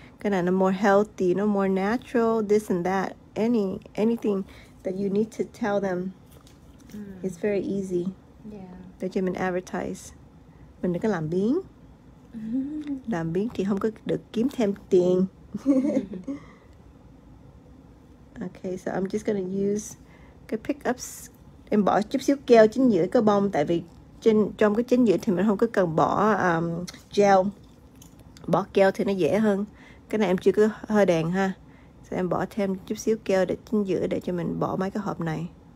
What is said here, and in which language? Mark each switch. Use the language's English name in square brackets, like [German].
[Vietnamese] Cái này nó [English] more healthy, nó more natural, this and that. Anything that you need to tell them. Mm. It's very easy. Yeah. [Vietnamese] Để cho mình advertise. Mình đừng có làm biến. Làm biến thì không có được kiếm thêm tiền. [English] Okay, so I'm just gonna use, pick up [Vietnamese] em bỏ chút xíu keo chính giữa cái bông, tại vì trên trong cái chính giữa thì mình không có cần bỏ gel, bỏ keo thì nó dễ hơn. Cái này em chưa có hơi đèn ha, sẽ em bỏ thêm chút xíu keo để chính giữa để cho mình bỏ mấy cái hộp này.